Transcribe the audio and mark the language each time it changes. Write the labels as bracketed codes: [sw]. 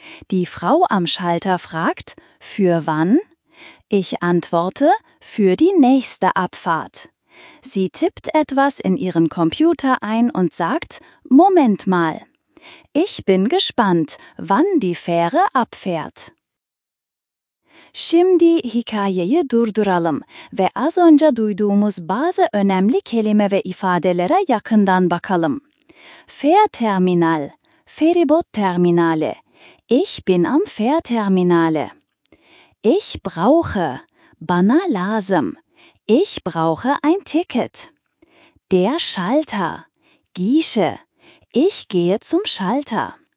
[de] Die Frau am Schalter fragt, für wann? Ich antworte, für die nächste Abfahrt. Sie tippt etwas in ihren Computer ein und sagt, Moment mal. Ich bin gespannt, wann die Fähre abfährt. [tr] Şimdi hikayeyi durduralım ve az önce duyduğumuz bazı önemli kelime ve ifadelere yakından bakalım. [de] Fährterminal, [tr] Feribotterminale. [de] Ich bin am Fährterminale. Ich brauche, [tr] bana lazım. [de] Ich brauche ein Ticket. Der Schalter, [tr] Gişe. [de] Ich gehe zum Schalter.